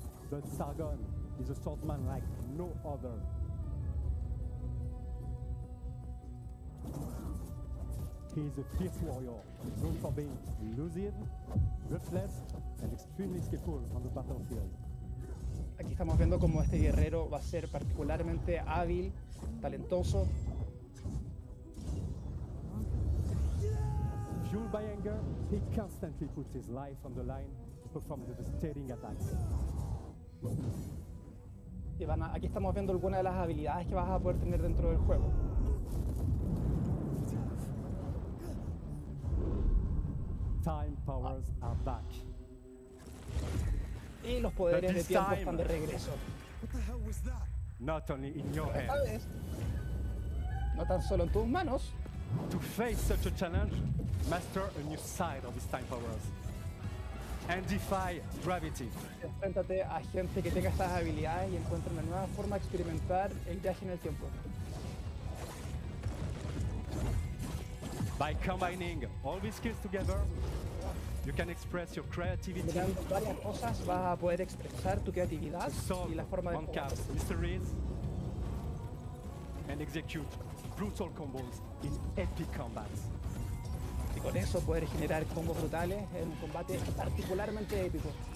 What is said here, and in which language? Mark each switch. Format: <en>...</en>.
<en>But Sargon is a swordsman like no other. He is a fierce warrior, known for being elusive, ruthless, and extremely skillful on the battlefield.</en> <es>Aquí estamos viendo cómo este guerrero va a ser particularmente hábil, talentoso.</es> <en>Fueled by anger, he constantly puts his life on the line to perform the devastating attacks.</en> <es>Ivana, aquí estamos viendo alguna de las habilidades que vas a poder tener dentro del juego.</es> <en>Time powers are back.</en> <es>Y los poderes de tiempo están de regreso.</es> <en>Not only in your hands.</en> <es>No tan solo en tus manos.</es> <en>To face such a challenge, master a new side of these time powers. And defy gravity.</en> <es>Enfréntate a gente que tenga estas habilidades y encuentra una nueva forma de experimentar el viaje en el tiempo.</es> <en>By combining all these skills together, you can express your creativity.</en> <es>Mirando varias cosas, vas a poder expresar tu creatividad y la forma de</es> <en>combat mysteries and execute brutal combos in epic combats.</en> <es>Y con eso poder generar combos brutales en un combate particularmente épico.</es>